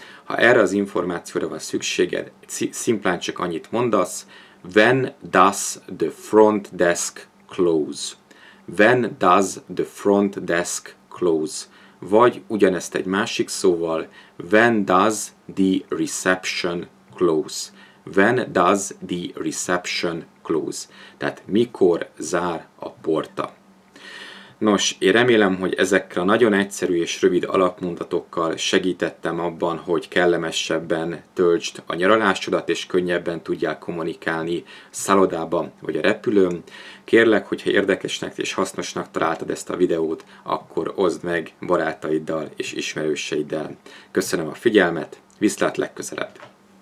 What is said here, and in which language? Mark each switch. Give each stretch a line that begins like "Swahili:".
Hungarian: Ha erre az információra van szükséged, szimplán csak annyit mondasz,
English: when does the front desk close? When does the front desk close,
Hungarian: vagy ugyanezt egy másik szóval,
English: when does the reception close? When does the reception close?
Hungarian: Tehát mikor zár a porta? Nos, én remélem, hogy ezekkel a nagyon egyszerű és rövid alapmondatokkal segítettem abban, hogy kellemesebben töltsd a nyaralásodat, és könnyebben tudják kommunikálni szállodában vagy a repülőn. Kérlek, hogyha érdekesnek és hasznosnak találtad ezt a videót, akkor oszd meg barátaiddal és ismerőseiddel. Köszönöm a figyelmet, viszlát legközelebb!